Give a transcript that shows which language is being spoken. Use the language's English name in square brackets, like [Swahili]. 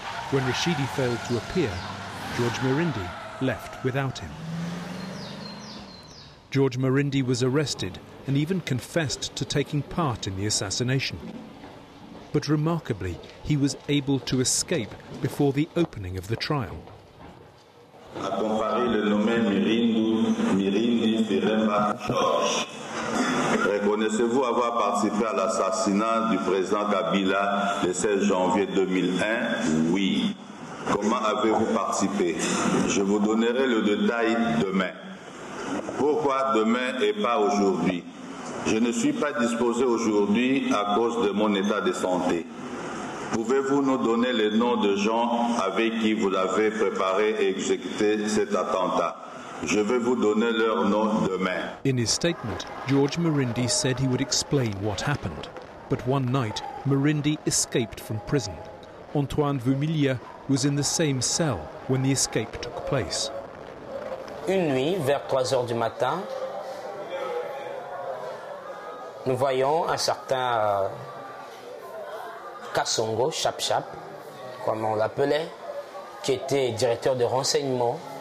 [English] When Rashidi failed to appear, George Mirindi left without him. George Mirindi was arrested and even confessed to taking part in the assassination. But remarkably, he was able to escape before the opening of the trial. [French] À comparer le nom Mirindi serait ma George. Reconnaissez-vous avoir participé à l'assassinat du président Kabila le 16 janvier 2001? Oui. Comment avez-vous participé? Je vous donnerai le détail demain. Pourquoi demain et pas aujourd'hui? Je ne suis pas disposé aujourd'hui à cause de mon état de santé. Pouvez-vous nous donner les noms de gens avec qui vous avez préparé et exécuté cet attentat? Je vais vous donner leurs noms demain. [English] In his statement, George Mirindi said he would explain what happened. But one night, Mirindi escaped from prison. Antoine Vumilia was in the same cell when the escape took place. [French] Une nuit, vers 3 heures du matin, nous voyons un certain Kasongo, Chap Chap, comme on l'appelait, qui était directeur de renseignement.